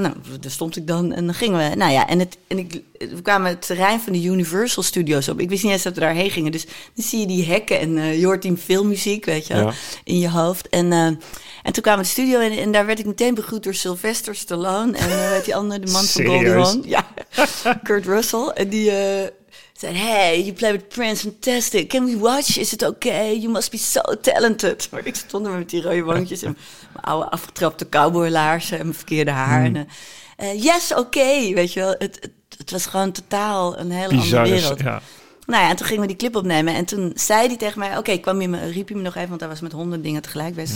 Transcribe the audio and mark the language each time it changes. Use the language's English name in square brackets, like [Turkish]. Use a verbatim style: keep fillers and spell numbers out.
[Dutch] Nou, daar stond ik dan en dan gingen we. Nou ja, en het en ik... we kwamen het terrein van de Universal Studios op. Ik wist niet eens dat we daarheen gingen. Dus dan zie je die hekken en uh, je hoort die filmmuziek, weet je wel, ja. in je hoofd. En, uh, en toen kwamen we de studio in en daar werd ik meteen begroet door Sylvester Stallone. En uh, weet die andere, de man van Goldie Hawn. Ja, Kurt Russell. En die... [English] Uh, [Dutch] zei, [English] hey, you play with Prince, fantastic. Can we watch? Is it okay? You must be so talented. [Dutch] Maar ik stond er met die rode wandjes en mijn oude afgetrapte cowboylaarzen en mijn verkeerde haar. Mm. En, uh, [English] yes, okay, [Dutch] weet je wel. Het, het, het was gewoon totaal een hele Bizarre, andere wereld. Ja. Nou ja, en toen gingen we die clip opnemen. En toen zei hij tegen mij, oké, okay, kwam je me, riep hij me nog even, want hij was met honderd dingen tegelijk bezig.